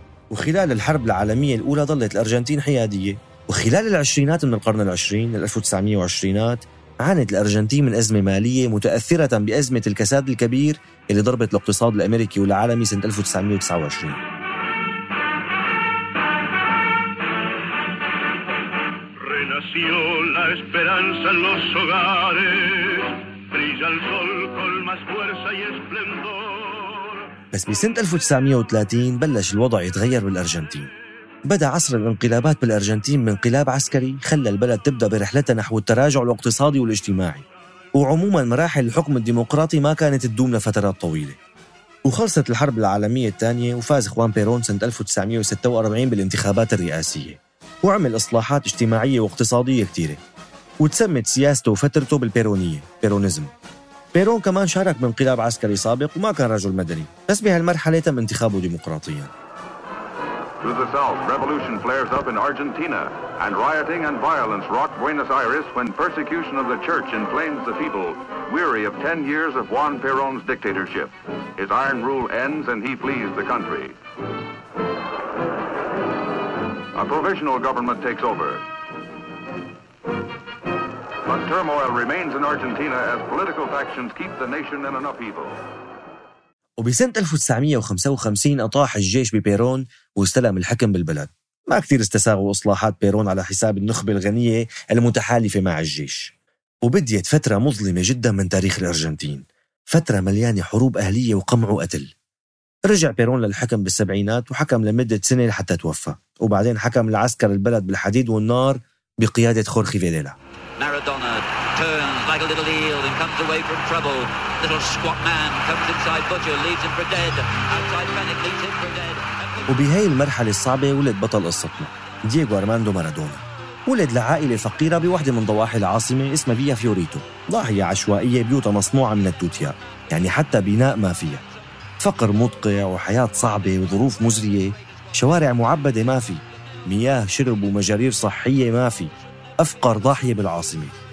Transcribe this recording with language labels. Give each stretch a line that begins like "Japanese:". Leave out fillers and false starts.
Arabic: وخلال الحرب العالمية الأولى ظلت الأرجنتين حيادية، وخلال العشرينات من القرن العشرين 1920s عانت الأرجنتين من أزمة مالية متأثرة بأزمة الكساد الكبير اللي ضربت الاقتصاد الأمريكي والعالمي سنة 1929.
Spanish: nació la esperanza en los hogares. Brilla el sol con más fuerza y esplendor.
Arabic: بس بسنة 1930 بلش الوضع يتغير بالأرجنتين. بدأ عصر الانقلابات بالأرجنتين من انقلاب عسكري خلى البلد تبدأ برحلتها نحو التراجع الاقتصادي والاجتماعي، وعموماً مراحل الحكم الديمقراطي ما كانت تدوم لفترات طويلة. وخلصت الحرب العالمية الثانية وفاز خوان بيرون سنة 1946 بالانتخابات الرئاسية، وعمل إصلاحات اجتماعية واقتصادية كتيرة، وتسمت سياسته وفترته بالبيرونية بيرونيزم. بيرون كمان شارك بانقلاب عسكري سابق وما كان رجل مدني، بس بهالمرحلة تم انتخابه ديمقراطياً.
English: To the south, revolution flares up in Argentina, and rioting and violence rock Buenos Aires when persecution of the church inflames the people, weary of 10 years of Juan Perón's dictatorship. His iron rule ends and he flees the country. A provisional government takes over. But turmoil remains in Argentina as political factions keep the nation in an upheaval.
Arabic: وبسنة 1955 أطاح الجيش ببيرون واستلم الحكم بالبلد. ما كتير استساغوا إصلاحات بيرون على حساب النخبة الغنية المتحالفة مع الجيش، وبديت فترة مظلمة جدا من تاريخ الأرجنتين، فترة مليانة حروب أهلية وقمع وقتل. رجع بيرون للحكم بالسبعينات وحكم لمدة سنة حتى توفى، وبعدين حكم العسكر البلد بالحديد والنار بقيادة خورخي فيديلا.
English: مارادونا turns like a little eel and comes away from trouble. Little squat man comes inside Butcher, leaves him for dead. Outside panic leaves him for dead.
Arabic: وبهاي المرحلة الصعبة ولد بطل قصتنا دييغو أرماندو مارادونا. ولد لعائلة فقيرة بواحدة من ضواحي العاصمة اسمها فيا فيوريتو، ضاحية عشوائية بيوتها مصنوعة من التوتيا، يعني حتى بناء ما فيها. فقر مدقع وحياة صعبة وظروف مزرية، شوارع معبدة ما في، مياه شرب ومجارير صحية ما في، أفقر ضاحية بالعاصمة.